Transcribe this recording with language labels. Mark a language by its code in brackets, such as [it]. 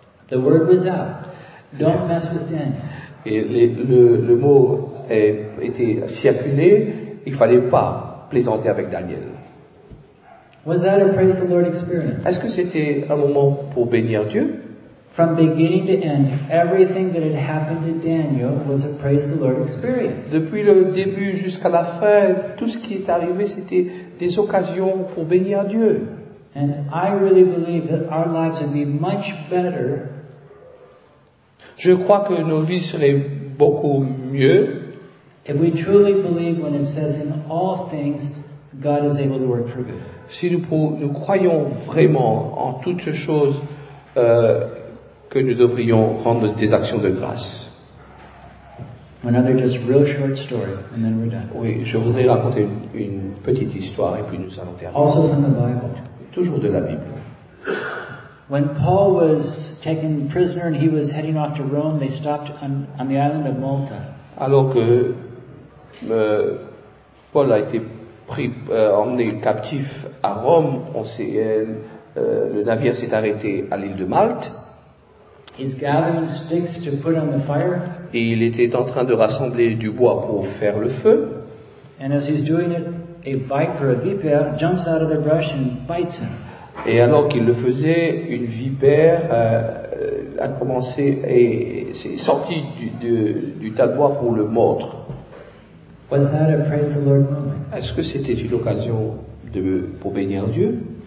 [en] The word was out. Don't mess with Daniel. [fr] Et le mot était circulé. Il fallait pas plaisanter avec Daniel. [en] Was that a praise the Lord experience? [fr] Est-ce que c'était un moment pour bénir Dieu? [en] From beginning to end, everything that had happened to Daniel was a praise the Lord experience. [fr] Depuis le début jusqu'à la fin, tout ce qui est arrivé, c'était des occasions pour bénir Dieu. [en] And I really believe that our lives would be much better. [fr] Je crois que nos vies seraient beaucoup mieux. [en] If we truly believe when it says in all things, God is able to work for good. [fr] Si nous croyons vraiment en toutes choses, que nous devrions rendre des actions de grâce. [en] Another just real short story, and then we're done. [fr] Oui, je voudrais raconter une petite histoire et puis nous allons terminer. [en] Also from the Bible. [fr] Toujours de la Bible. [en] When Paul was taken prisoner and he was heading off to Rome, they stopped on the island of Malta. [fr] Alors que Paul a été pris, emmené captif à Rome, le navire s'est arrêté à l'île de Malte. [en] He's gathering sticks to put on the fire. [fr] Et il était en train de rassembler du bois pour faire le feu. [en] And as he's doing it, a viper, a vipère, jumps out of the brush and bites him. [fr] Et alors qu'il le faisait, une vipère a commencé et s'est sortie du tas de bois pour le mordre. [en] Was that a praise the Lord moment? [fr] Est-ce que c'était une occasion pour bénir Dieu?